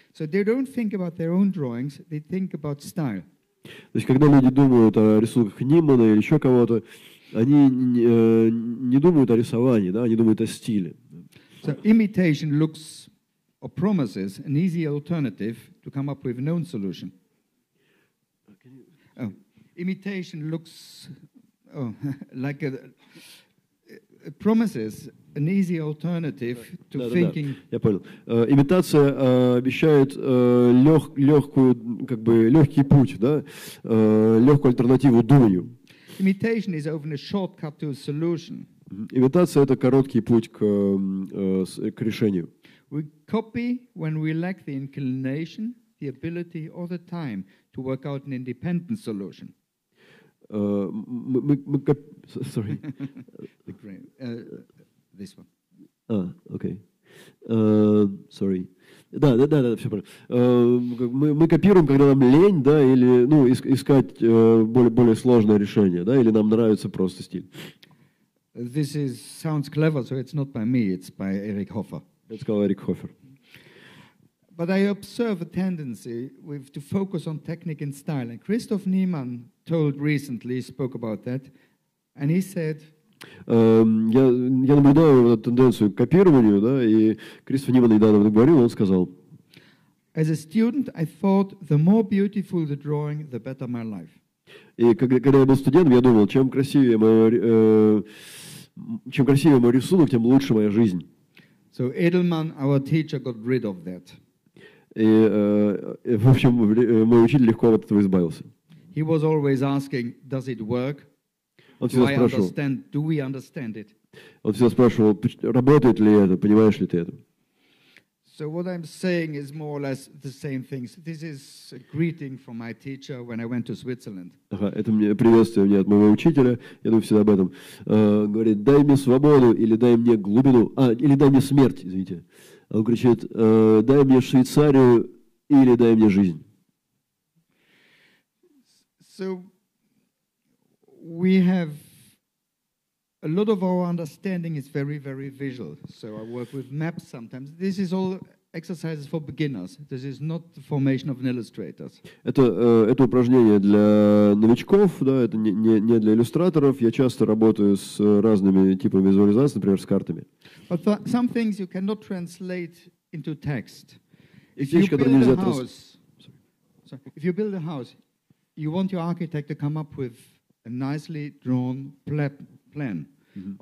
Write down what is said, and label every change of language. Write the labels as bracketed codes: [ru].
[en] So they don't think about their own drawings, they think about style. [ru] То есть когда люди думают о рисунках Ниммана или еще кого-то, они не думают о рисовании, да, они думают о стиле. [en] So imitation looks or promises an easy alternative to come up with a known solution. Imitation looks like a promises an easy alternative to thinking. [ru] Я понял. Имитация обещает легкий путь, да, легкую альтернативу думанию. [en] Imitation is often a shortcut to a solution. [ru] Имитация — это короткий путь к решению. [en] We copy when we lack the inclination, the ability, or the time to work out an independent solution. Sorry. The green, this one. Ah, okay. Sorry. [ru] Да, да, да, да, все правильно. Мы копируем, когда нам лень, да, или ну, искать более сложное решение, да, или нам нравится просто стиль. [en] This is sounds clever, so it's not by me, it's by Eric Hoffer. Let's call Eric Hoffer. But I observe a tendency with to focus on technique and style. And Christoph Niemann told recently, spoke about that, and he said. [ru] Я наблюдаю тенденцию к копированию, да, и Кристоф Ниман недавно говорил, он сказал: [en] As a student, I thought the more beautiful the drawing, the better my life. [ru] И когда я был студентом, я думал, чем красивее мой рисунок, тем лучше моя жизнь. [en] So Edelman, our teacher, got rid of that. [ru] И в общем, мой учитель легко от этого избавился. [en] He was always asking, does it work? Do we understand it? [ru] Он всегда спрашивал, работает ли это, понимаешь ли ты это? [en] So what I'm saying is more or less the same things. This is a greeting from my teacher when I went to Switzerland. [ru] Ага, это мне приветствие мне от моего учителя. Я думаю всегда об этом. Говорит, дай мне свободу или дай мне глубину, или дай мне смерть, извините. Он кричит, дай мне Швейцарию или дай мне жизнь. [en] So we have a lot of our understanding is very, very visual. So I work with maps sometimes. This is all exercises for beginners. This is not the formation of an illustrator. [ru] Это упражнение для новичков, да, это не для иллюстраторов. Я часто работаю с разными типами визуализации, например, с картами. [en] But some things you cannot translate into text. If you build a house, you want your architect to come up with a nicely drawn plan mm-hmm.